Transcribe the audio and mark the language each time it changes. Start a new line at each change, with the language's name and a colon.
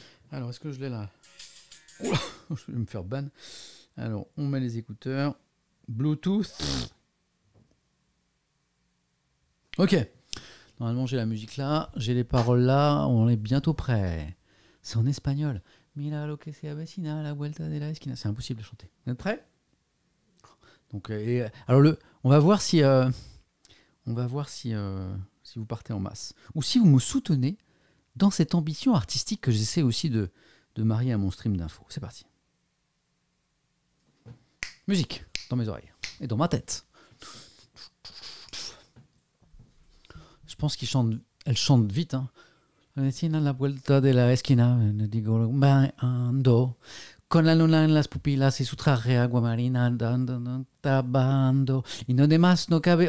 French: Alors est-ce que je l'ai là? Oh là, je vais me faire ban. Alors on met les écouteurs. Bluetooth. Ok. Normalement, j'ai la musique là, j'ai les paroles là, on est bientôt prêt. C'est en espagnol.
Spanish: Mira lo que se avecina, la vuelta de la esquina.
French: C'est impossible de chanter. Vous êtes prêts? Donc, on va voir si vous partez en masse. Ou si vous me soutenez dans cette ambition artistique que j'essaie aussi de marier à mon stream d'info. C'est parti. Musique dans mes oreilles et dans ma tête. Je pense qu'ils chantent, elles chantent vite. Hein.
Spanish: La vuelta de la esquina, digo bailando, con la luna en las pupilas y su traje agua marina, tabando, y no demás no cabe.